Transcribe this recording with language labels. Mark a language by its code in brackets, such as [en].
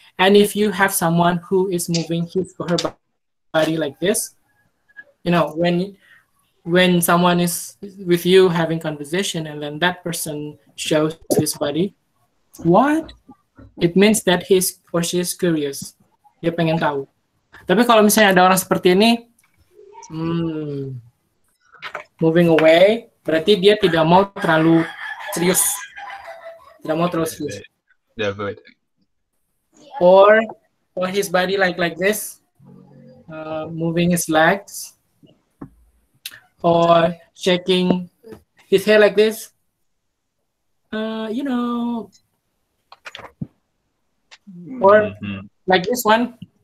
[en] And if you have someone who is moving his or her body like this, you know, when someone is with you having conversation and then that person shows his body, what? It means that he's or she's curious. [id] Dia pengen tahu. Tapi kalau misalnya ada orang seperti ini, [en] moving away, [id] berarti dia tidak mau terlalu serius. Tidak mau terlalu serius. [en] Yeah, or his body like this, moving his legs, or shaking his hair like this. Or like this one.